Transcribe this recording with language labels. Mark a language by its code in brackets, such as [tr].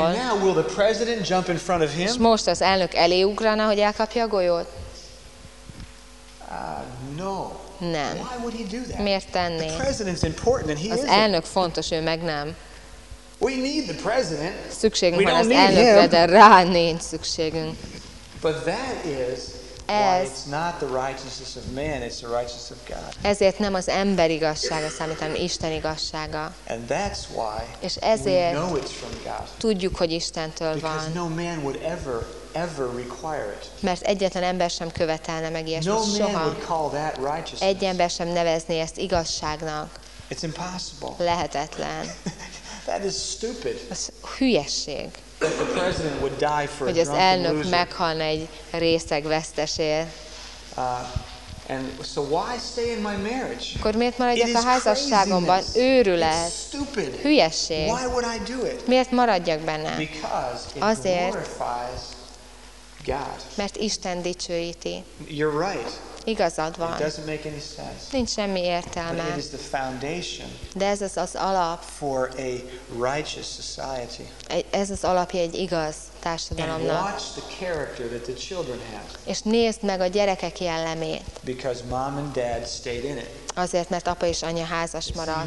[en] And now will the president jump in front of him? [hu] És most az elnök elé ugrana, hogy elkapja a golyót? [en] No. [hu] Nem. [en] Why would he do that? [hu] Miért tenné? [en] The president's important and he is. [hu] Az elnök fontos, ő meg nem. [en] We need the president. [hu] Szükségünk van az elnökre, de rá nincs szükségünk. [en] But that is why it's not the righteousness of man, it's the righteousness of God. [hu] Ezért nem az ember igazsága számít, hanem Isten igazsága. [en] And that's why. [hu] És ezért [en] we know it's from God. [hu] Tudjuk, hogy Istentől van. [en] Because no man would ever require it. [hu] Mert egyetlen ember sem követelne meg ilyesmit soha. Egy ember sem nevezné ezt igazságnak. [en] It's impossible. [hu] Lehetetlen. [en] That is stupid. [hu] Ez hülyeség. [en] That the president would die for [hu] hogy az elnök meghalna egy részeg vesztesért. [en] And so why stay in my marriage? [hu] Akkor miért maradjak a házasságomban? Őrület. Hülyeség. [en] Why would I do it? [hu] Miért maradjak benne? [en] Because it [hu] azért, [en] glorifies God. [hu] Mert Isten dicsőíti. [en] You're right. [hu] Igazad van. [en] It doesn't make any sense. [hu] Nincs semmi értelme. [en] But it is the foundation. [hu] De ez az alap. [en] For a righteous society. [hu] Ez az alapja egy igaz társadalomnak. [en] And watch the character that the children have. [hu] És nézd meg a gyerekek jellemét. [en] Because mom and dad stayed in it. [hu] Azért, mert apa és anya házas maradt.